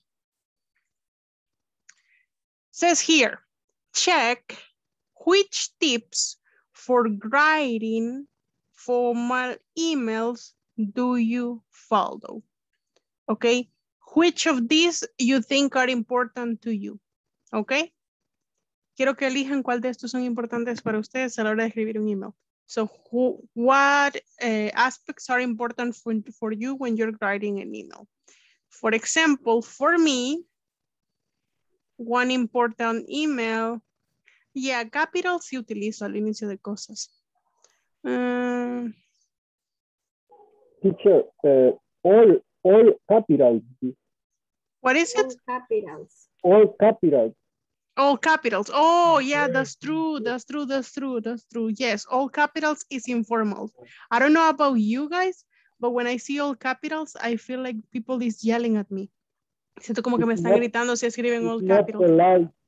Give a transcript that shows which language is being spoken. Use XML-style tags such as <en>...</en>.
<en>It says here, check which tips for writing formal emails do you follow? Okay, which of these you think are important to you?</en> <es>Okay, quiero que elijan cuál de estos son importantes para ustedes a la hora de escribir un email.</es> <en>So what aspects are important for you when you're writing an email? For example, for me, one important email, yeah, capital</en> <es>si utilizo al inicio de cosas.</es> <en>Teacher, all capitals. What is it? All capitals. All capitals. Oh, yeah, that's true. Yes, all capitals is informal. I don't know about you guys, but when I see all capitals, I feel like people is yelling at me.</en> <es>Siento como que me están gritando si escriben all capitals.</es>